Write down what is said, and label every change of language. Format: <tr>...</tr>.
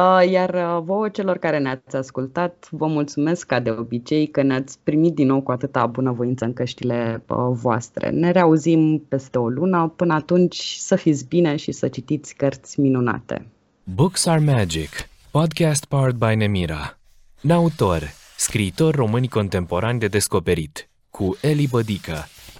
<ro>Iar vouă celor care ne-ați ascultat, vă mulțumesc ca de obicei că ne-ați primit din nou cu atâta bunăvoință în căștile voastre. Ne reauzim peste o lună, până atunci să fiți bine și să citiți cărți minunate.</ro> <en>Books are magic. Podcast powered by Nemira.</en> <ro>Nautor, scriitor români contemporani de descoperit, cu Eli Bădică.</ro>